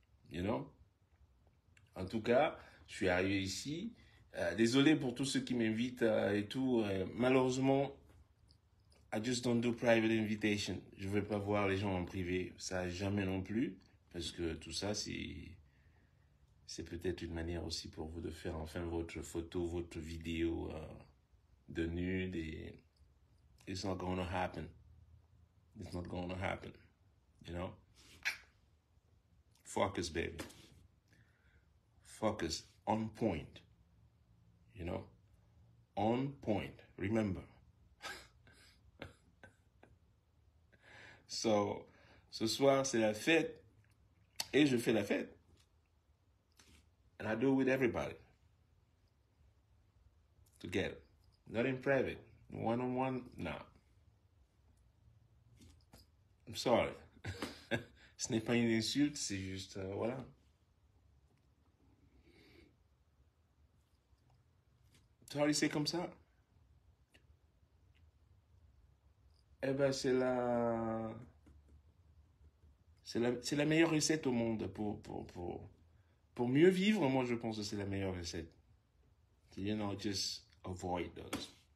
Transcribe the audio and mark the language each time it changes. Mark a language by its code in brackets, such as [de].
[en] You know? [fr] En tout cas, je suis arrivé ici. Désolé pour tous ceux qui m'invitent et tout. Malheureusement. [en] I just don't do private invitation. [fr] Je ne vais pas voir les gens en privé. Ça, jamais non plus. Parce que tout ça, c'est peut-être une manière aussi pour vous de faire enfin votre photo, votre vidéo de nude. Et [en] it's not going to happen. It's not going to happen. You know? Focus, baby. Focus on point. You know? On point. Remember. So, [fr] ce soir, c'est la fête et je fais la fête. [en] And I do it with everybody. Together. Not in private. One on one, no. I'm sorry. [fr] Ce n'est pas une insulte, c'est juste, voilà. [en] Sorry, [fr] c'est comme ça. Eh ben, c'est la meilleure recette au monde pour mieux vivre. Moi, je pense que c'est la meilleure recette. [en] You know, just avoid those.